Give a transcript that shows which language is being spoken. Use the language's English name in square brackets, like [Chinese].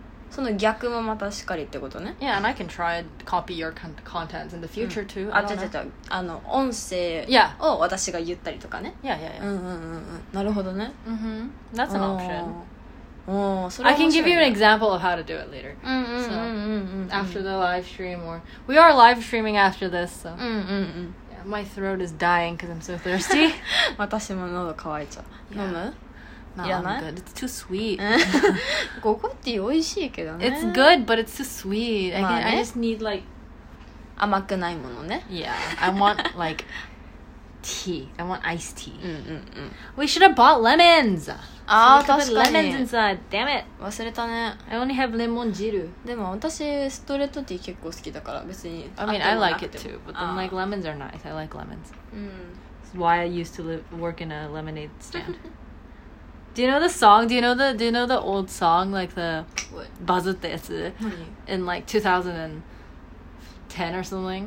[Japanese] その逆もまたしっかりってことね。 [English] Yeah, and I can try to copy your contents in the future too. [Japanese] あ、違う。あの音声を私が言ったりとかね。 [English] Yeah. [Japanese] なるほどね。 [English] That's an option. I can give you an example of how to do it later. After the live stream, or we are live streaming after this. So. My throat is dying because I'm so thirsty. [Japanese] 私も喉乾いちゃう。飲む？いらない？ [English] No, I'm good. It's too sweet. [Japanese] ココティ美味しいけどね。 [English] It's good, but it's too sweet. [Japanese] まあね。 [English] I just need like... [Japanese] 甘くないものね。 [English] Yeah, I want like... tea. I want iced tea. [Japanese] うん。 [English] We should have bought lemons! [Japanese] ああ、確かに。 [English] So we could put lemons inside. Damn it! [Japanese] 忘れたね。 [English] I only have lemon汁。 [Japanese] でも私、ストレートティー結構好きだから、別に。 [English] I mean, I like it too, but then, like, lemons are nice. I like lemons. [Japanese] うん。 [English] That's why I used to work in a lemonade stand. Do you know the song? Do you know the old song? Like, the... What? [Japanese] バズったやつ。何? [English] In, like, 2000 and... 10 or something.